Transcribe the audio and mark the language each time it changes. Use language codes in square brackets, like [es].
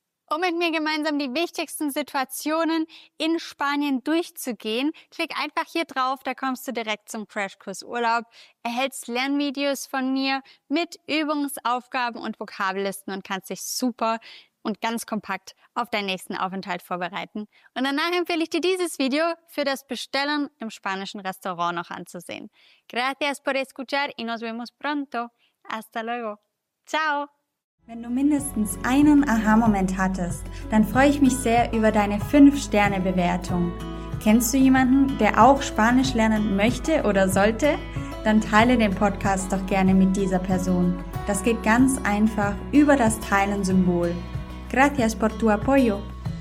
[de] Um mit mir gemeinsam die wichtigsten Situationen in Spanien durchzugehen, klick einfach hier drauf, da kommst du direkt zum Crashkurs Urlaub, erhältst Lernvideos von mir mit Übungsaufgaben und Vokabellisten und kannst dich super und ganz kompakt auf deinen nächsten Aufenthalt vorbereiten. Und danach empfehle ich dir, dieses Video für das Bestellen im spanischen Restaurant noch anzusehen. [es] Gracias por escuchar y nos vemos pronto. Hasta luego. Ciao. [de] Wenn du mindestens einen Aha-Moment hattest, dann freue ich mich sehr über deine 5-Sterne-Bewertung. Kennst du jemanden, der auch Spanisch lernen möchte oder sollte? Dann teile den Podcast doch gerne mit dieser Person. Das geht ganz einfach über das Teilen-Symbol. [es] Gracias por tu apoyo.